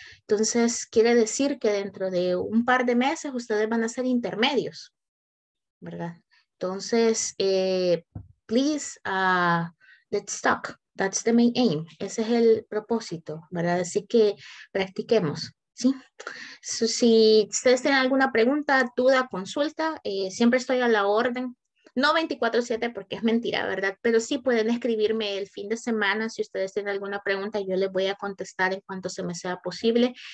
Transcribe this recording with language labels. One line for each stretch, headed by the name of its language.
Spanish: Entonces, quiere decir que dentro de un par de meses ustedes van a ser intermedios, ¿verdad?
English: Entonces, please, let's talk. That's the main aim.
Spanish: Ese es el propósito, ¿verdad? Así que practiquemos. Sí, so, si ustedes tienen alguna pregunta, duda, consulta, siempre estoy a la orden. No 24/7 porque es mentira, ¿verdad? Pero sí pueden escribirme el fin de semana. Si ustedes tienen alguna pregunta, yo les voy a contestar en cuanto se me sea posible.